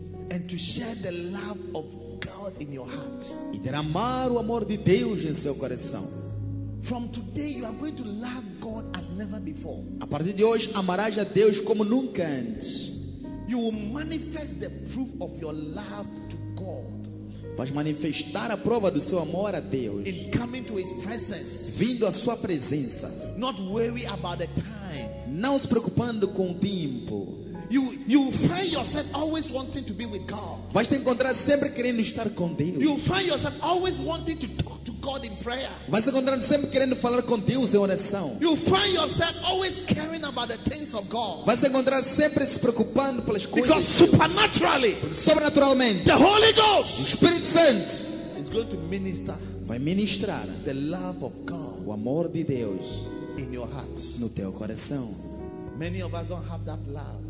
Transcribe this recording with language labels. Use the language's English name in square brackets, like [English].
[English] And to share the love of God in your heart. [Portuguese] E derramar o amor de Deus em seu coração. [English] From today you are going to love God as never before. [Portuguese] A partir de hoje amarás a Deus como nunca antes. [English] You will manifest the proof of your love to God. [Portuguese] Vais manifestar a prova do seu amor a Deus. [English] In coming to his presence, [Portuguese] vindo à sua presença. [English] Not worry about the time. [Portuguese] Não se preocupando com o tempo. [English] You find yourself always wanting to be with God. [Portuguese] Vais te encontrar sempre querendo estar com Deus. [English] You find yourself always wanting to talk to God in prayer. [Portuguese] Vais te encontrar sempre querendo falar com Deus em oração. [English] You find yourself always caring about the things of God. [Portuguese] Vais te encontrar sempre se preocupando pelas coisas. [English] Because supernaturally, [Portuguese] sobrenaturalmente, [English] the Holy Ghost, [Portuguese] o Espírito Santo, [English] is going to minister, [Portuguese] vai ministrar [English] the love of God, [Portuguese] o amor de Deus, [English] in your heart, [Portuguese] no teu coração. [English] Many of us don't have that love.